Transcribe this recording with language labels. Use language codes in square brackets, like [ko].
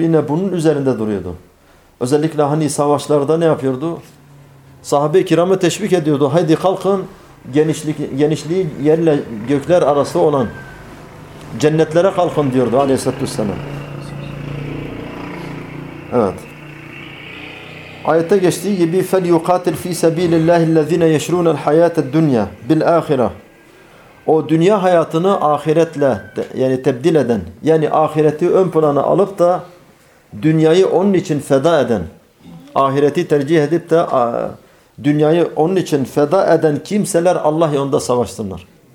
[tr] Yine bunun üzerinde duruyordu. Özellikle hani savaşlarda ne yapıyordu? Sahabe-i kiramı teşvik ediyordu. Haydi kalkın, genişliği yerle gökler arası olan cennetlere kalkın diyordu Aleyhisselatü Vesselam. Evet. Ayette geçtiği gibi [ar] فَلْيُقَاتِلْ فِي سَب۪يلِ اللّٰهِ الَّذ۪ينَ يَشْرُونَ الْحَيَاةَ الدُّنْيَا بِالْآخِرَةِ. [tr] O dünya hayatını ahiretle yani tebdil eden, yani ahireti ön plana alıp da dünyayı onun için feda eden, ahireti tercih edip de dünyayı onun için feda eden kimseler Allah yolunda savaştırlar.